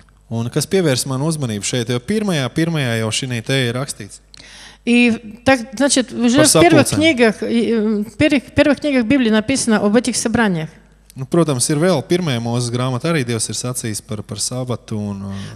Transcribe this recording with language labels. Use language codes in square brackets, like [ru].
[lv] Un kas pievērs man uzmanību šeit, jo pirmajā jau šī te ir rakstīts. [ru] И так, значит, уже в первых книгах Библии написано об этих собраниях. [lv] Nu, protams, ir vēl pirmajā Mozes grāmatā arī Dievs ir sacījis par sabatu un